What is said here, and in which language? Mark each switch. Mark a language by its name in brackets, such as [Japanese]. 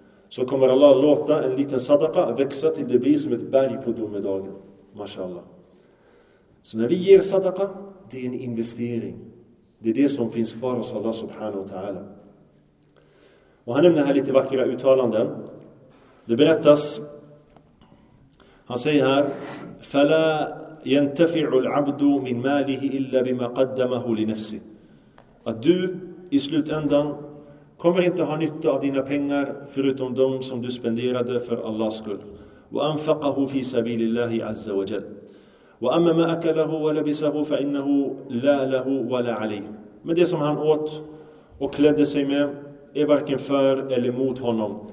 [Swedish] Så kommer Allah låta en liten sadaqa växa till det blir som ett berg på domedagen. Mashallah. Så när vi ger sadaqa, det är en investering. Det är det som finns kvar hos Allah subhanahu wa ta'ala. Och han nämner här lite vackra uttalanden. Det berättas, han säger här, [Arabic] فَلَا يَنْتَفِعُ الْعَبْدُ مِنْ مَالِهِ إِلَّا بِمَا قَدَّمَهُ لِنَفْسِهِ. [Swedish] Att du i slutändan kommer inte ha nytta av dina pengar förutom de som du spenderade för Allahs skull. [Arabic] وَأَنْفَقَهُ فِي سَبِيلِ اللَّهِ عَزَّ وَجَلْ وَأَمَّا مَا أَكَلَهُ وَلَبِسَهُ فَإِنَّهُ لَا لَهُ وَلَا عَلَيْهِ. [Swedish] Men det som han åt och klädde sig med är varken för eller mot honom.